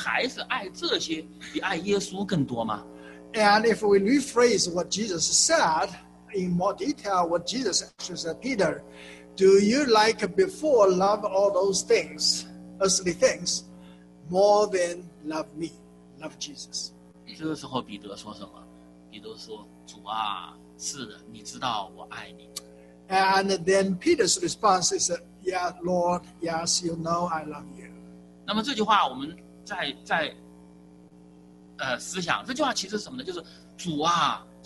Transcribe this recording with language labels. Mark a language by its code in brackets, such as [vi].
[zh] 我们把这句话再描绘一下，这句话就是说，彼得啊，你还像以前那样爱这些东西超过爱主耶稣吗？你还像以前那样吗？你还是爱这些比爱耶稣更多吗？ [en] And if we rephrase what Jesus said, in more detail, what Jesus actually said, Peter, do you like before love all those things, earthly things, more than love me, love Jesus? [zh] 这个时候彼得说什么？彼得说：“主啊，是的，你知道我爱你。” [en] And then Peter's response is, "Yeah, Lord, yes, you know I love you." [zh] 那么这句话我们再思想，这句话其实什么呢？就是主啊。